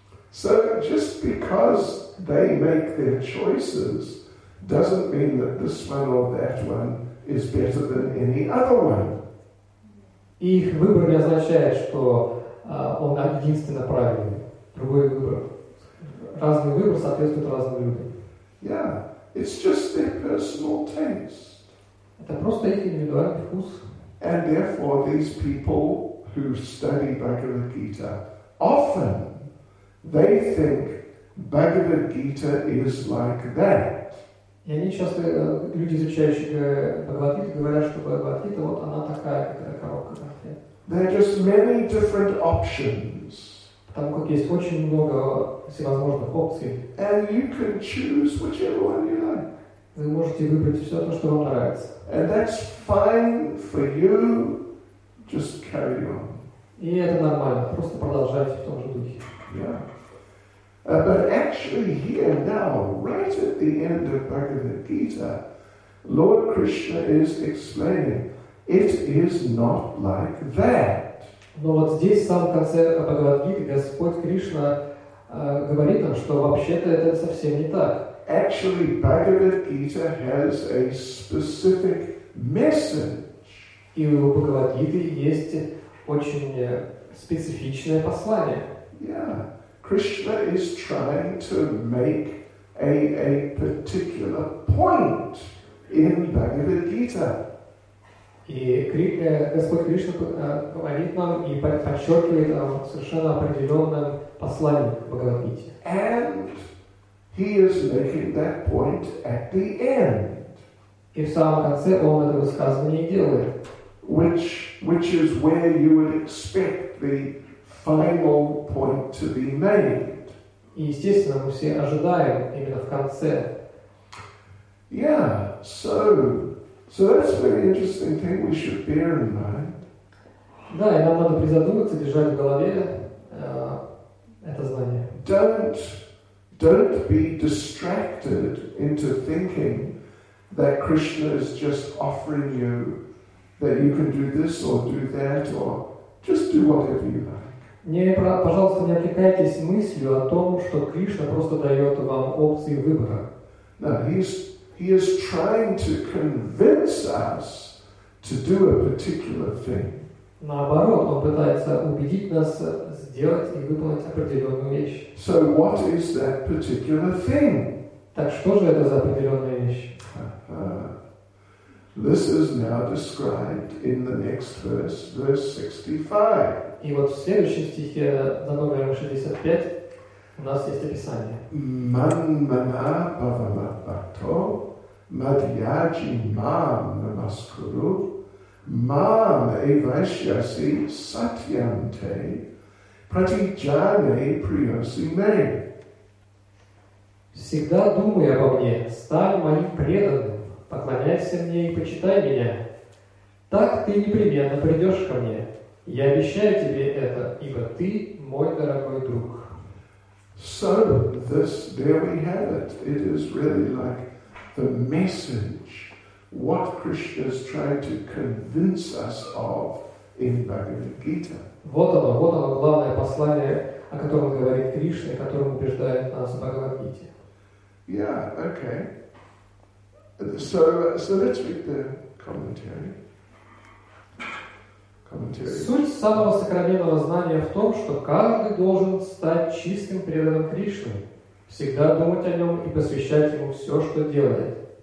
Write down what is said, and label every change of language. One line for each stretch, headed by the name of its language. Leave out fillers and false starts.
English: So just because they make their choices doesn't mean that this one or that one is better than any other one.
Russian: Их выбор не означает, что он единственно правильный. Другой выбор. Разный выбор соответствует разным людям.
English: Yeah, it's just their personal taste.
Russian: Это просто их индивидуальный вкус.
English: And therefore these people who study Bhagavad Gita often they think Bhagavad Gita is like that.
Russian: И они часто, люди, изучающие Бхагавад Гиту, говорят, что Бхагавад Гита вот она такая, какая коробка конфет.
English: There are just many different options.
Russian: Там как есть очень много всевозможных опций.
English: And you can choose whichever one you like.
Russian: Вы можете выбрать все то, что вам нравится.
English: And that's fine for you. Just carry on.
Russian: И это нормально. Просто продолжайте в том же духе.
English: Yeah. But actually here now, right at the end of Bhagavad Gita, Lord Krishna is explaining, it is not like that.
Russian: Но вот здесь, в самом конце Бхагавад Гиты, Господь Кришна говорит нам, что вообще-то это совсем не так.
English: Actually, Bhagavad Gita has a specific message.
Russian: И у Бхагавад Гиты есть очень специфичное послание.
English: Yeah, Krishna is trying to make a particular point in Bhagavad Gita.
Russian: И Господь Кришна говорит нам и подчеркивает нам совершенно определенное послание в Бхагавад Гите.
English: And He is making that point at the end.
Russian: И в самом конце он это высказывание делает.
English: Which is where you would expect the final point to be made.
Russian: И естественно, мы все ожидаем именно в конце.
English: Yeah, so that's a very interesting thing we should bear in mind.
Russian: Да, и нам надо призадуматься, держать в голове это знание.
English: Don't be distracted into thinking that Krishna is just offering you that you can do this or do that or just do whatever you like.
Russian: Не, пожалуйста, не отвлекайтесь мыслью о том, что Кришна просто дает вам опции выбора.
English: No, he is trying to convince us to do a particular thing.
Russian: Наоборот, он пытается убедить нас сделать и выполнить определенную вещь.
English: So what is that particular thing?
Russian: Так что же это за определенная вещь?
English: This is now described in the next verse, verse 65.
Russian: И вот в следующем стихе, за номером 65, у нас есть описание.
Sanskrit: Манмана бхавалабхато мадьяджи мам намаскуру мам эвайшьяси сатьянте Пратиджане приоси ме.
Russian: Всегда думай обо мне, стань моим преданным, поклоняйся мне и почитай меня. Так ты непременно придешь ко мне. Я обещаю тебе это, ибо ты мой дорогой друг.
English: So, there we have it. It is really like the message, what Krishna is trying to convince us of in Bhagavad Gita.
Russian: Вот оно главное послание, о котором говорит Кришна, о котором убеждает нас в Бхагавад Гите.
English: Yeah, okay. So let's read the commentary.
Russian: Суть самого сокровенного знания в том, что каждый должен стать чистым преданным Кришне, всегда думать о нем и посвящать ему все, что делает.